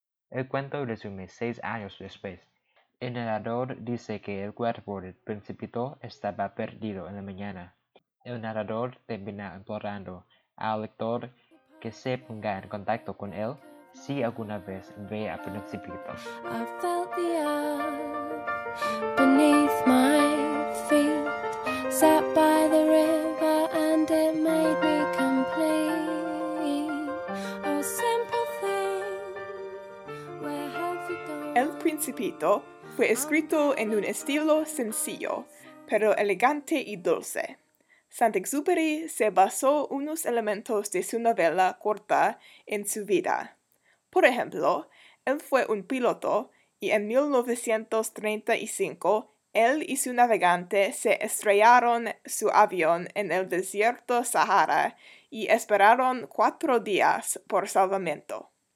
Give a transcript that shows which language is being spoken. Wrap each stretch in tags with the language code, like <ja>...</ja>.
<es>El cuento resume 6 años después. El narrador dice que el cuerpo del Principito estaba perdido en la mañana. El narrador termina implorando al lector que se ponga en contacto con él si alguna vez ve a Principito.</es> <en>I felt the earth beneath my feet, sat by the river and it made me complete. Oh, simple thing, where have you gone?</en> <es>El Principito fue escrito en un estilo sencillo, pero elegante y dulce. Saint-Exupéry se basó unos elementos de su novela corta en su vida. Por ejemplo, él fue un piloto y en 1935 él y su navegante se estrellaron su avión en el desierto Sahara y esperaron 4 días por salvamento.</es>